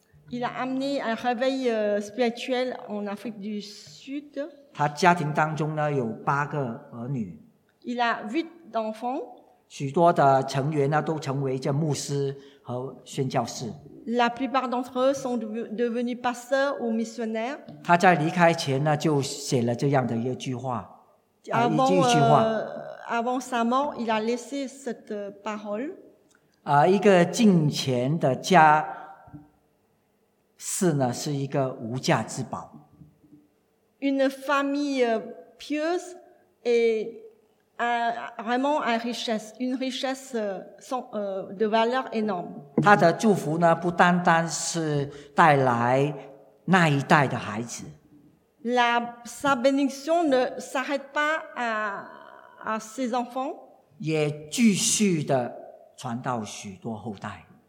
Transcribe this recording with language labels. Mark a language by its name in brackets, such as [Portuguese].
[French] Il a amené un réveil spirituel en Afrique du Sud. [Chinese] 他家庭当中呢有8个儿女。 [French] Il a 8 enfants. [Chinese] 许多的成员呢都成为这牧师和宣教士。 [French] La plupart d'entre eux sont devenus pasteurs ou missionnaires. [Chinese] 他在离开前呢就写了这样的一句话。 [French] Avant sa mort, il a laissé cette parole. [Chinese] 一个敬虔的家是呢是一个无价之宝。 [French] Une famille pieuse et a vraiment une richesse sans, de valeur énorme. [Chinese] 他的祝福呢, 不单单是带来那一代的孩子。 [French] Sa bénédiction ne s'arrête pas à, à ses enfants. [Chinese] 也继续地传到许多后代。